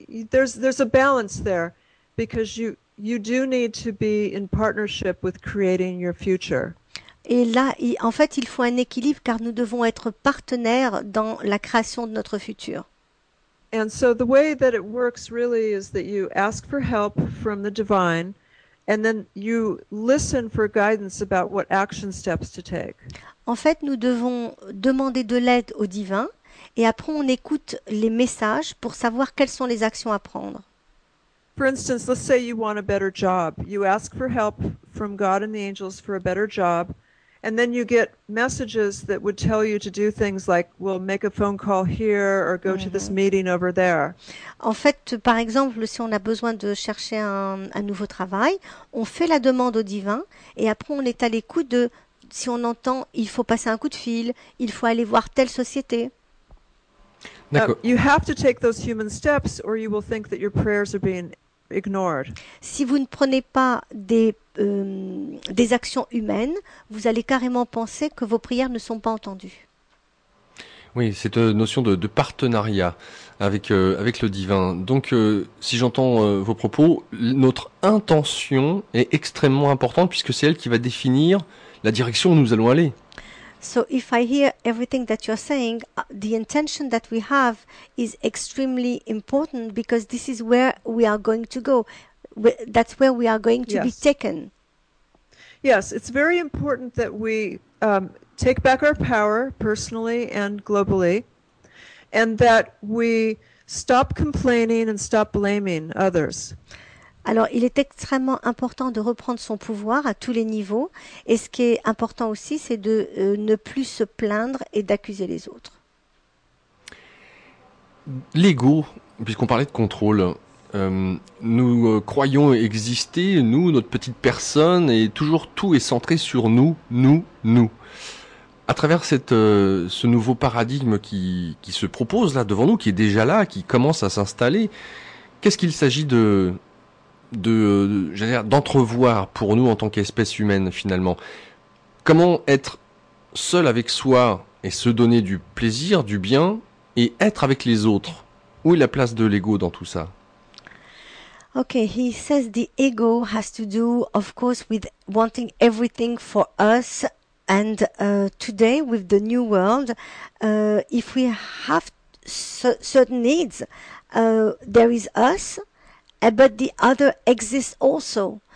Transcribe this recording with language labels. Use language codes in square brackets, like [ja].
[en] There's a balance there because you do need to be in partnership with creating your future. [fr] Et là, en fait, il faut un équilibre car nous devons être partenaires dans la création de notre futur. [en] And so the way that it works really is that you ask for help from the divine and then you listen for guidance about what action steps to take. [fr] En fait, nous devons demander de l'aide au divin et après on écoute les messages pour savoir quelles sont les actions à prendre. [en] For instance, let's say you want a better job. You ask for help from God and the angels for a better job. And then you get messages that would tell you to do things like, well, make a phone call here or go to this meeting over there. [fr] En fait, par exemple, si on a besoin de chercher un nouveau travail, on fait la demande au divin et après on est à l'écoute de, si on entend, il faut passer un coup de fil, il faut aller voir telle société. D'accord. [en] You have to take those human steps or you will think that your prayers are being ignored. [fr] Si vous ne prenez pas des actions humaines, vous allez carrément penser que vos prières ne sont pas entendues. Oui, cette notion de partenariat avec le divin. Donc, si j'entends vos propos, notre intention est extrêmement importante puisque c'est elle qui va définir la direction où nous allons aller. [en] So if I hear everything that you're saying, the intention that we have is extremely important because this is where we are going to go. That's where we are going to be taken. Yes, it's very important that we take back our power personally and globally, and that we stop complaining and stop blaming others. [fr] Alors, il est extrêmement important de reprendre son pouvoir à tous les niveaux. Et ce qui est important aussi, c'est de ne plus se plaindre et d'accuser les autres. L'ego, puisqu'on parlait de contrôle, nous croyons exister, nous, notre petite personne, et toujours tout est centré sur nous, nous, nous. À travers ce nouveau paradigme qui se propose là devant nous, qui est déjà là, qui commence à s'installer, qu'est-ce qu'il s'agit d'entrevoir pour nous en tant qu'espèce humaine finalement. Comment être seul avec soi et se donner du plaisir, du bien, et être avec les autres? Où est la place de l'ego dans tout ça? [en] Okay, he says the ego has to do, of course, with wanting everything for us. And today, with the new world, if we have certain needs, there is us, but the other exists also.